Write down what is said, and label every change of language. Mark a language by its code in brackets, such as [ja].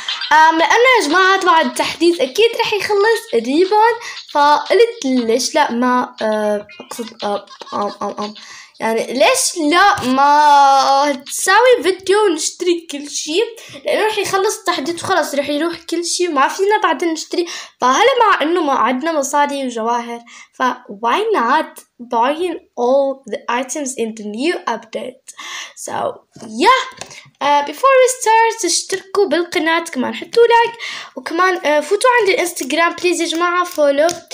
[ar] لانه يا جماعة تبع التحديث اكيد رح يخلص قريبا، فقلت ليش لا ما اقصد يعني ليش لا ما تساوي فيديو ونشتري كل شيء، لانه رح يخلص التحديث وخلص رح يروح كل شيء ما فينا بعدين نشتري. فهلا مع انه ما عدنا مصاري وجواهر، [en] ف why not buying all the items in the new update. So yeah, before we start [ar] اشتركوا بالقناة، كمان حطوا لايك، وكمان فوتوا عند الانستغرام بليز يا جماعة فولو.